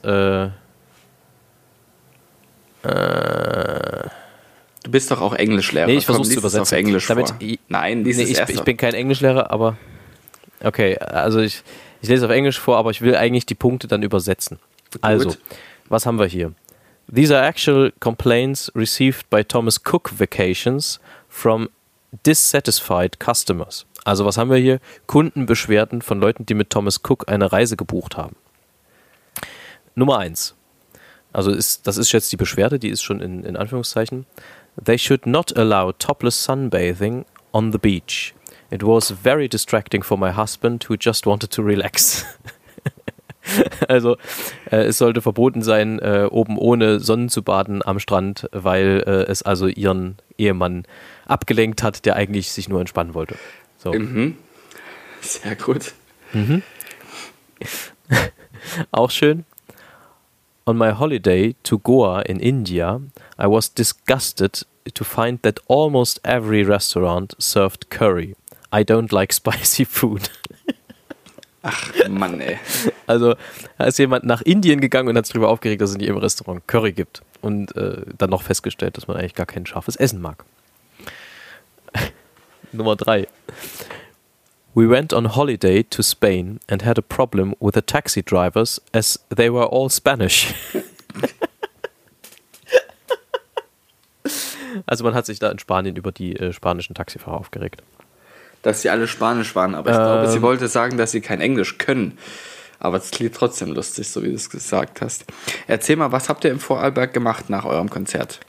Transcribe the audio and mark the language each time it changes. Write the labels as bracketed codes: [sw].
[de] Du bist doch auch Englischlehrer. Nee, ich versuche es zu übersetzen. Auf Englisch damit, nein, lies nee, es ich, erst ich bin kein Englischlehrer, aber. Okay, also ich lese auf Englisch vor, aber ich will eigentlich die Punkte dann übersetzen. Gut. Also, was haben wir hier? [en] These are actual complaints received by Thomas Cook Vacations from dissatisfied customers. [de] Also was haben wir hier? Kundenbeschwerden von Leuten, die mit Thomas Cook eine Reise gebucht haben. Nummer 1. Also das ist jetzt die Beschwerde, die ist schon in Anführungszeichen. [en] They should not allow topless sunbathing on the beach. It was very distracting for my husband who just wanted to relax. [de] Also, es sollte verboten sein, oben ohne Sonne zu baden am Strand, weil es also ihren Ehemann abgelenkt hat, der eigentlich sich nur entspannen wollte. So. Mhm. Sehr gut. Mhm. Auch schön. [en] On my holiday to Goa in India, I was disgusted to find that almost every restaurant served curry. I don't like spicy food. [de] Ach Mann, ey. Also, da ist jemand nach Indien gegangen und hat sich darüber aufgeregt, dass es nicht im Restaurant Curry gibt. Und dann noch festgestellt, dass man eigentlich gar kein scharfes Essen mag. Nummer 3. [en] We went on holiday to Spain and had a problem with the taxi drivers as they were all Spanish. [de] Also man hat sich da in Spanien über die spanischen Taxifahrer aufgeregt. Dass sie alle Spanisch waren, aber ich glaube, sie wollte sagen, dass sie kein Englisch können. Aber es klingt trotzdem lustig, so wie du es gesagt hast. Erzähl mal, was habt ihr im Vorarlberg gemacht nach eurem Konzert?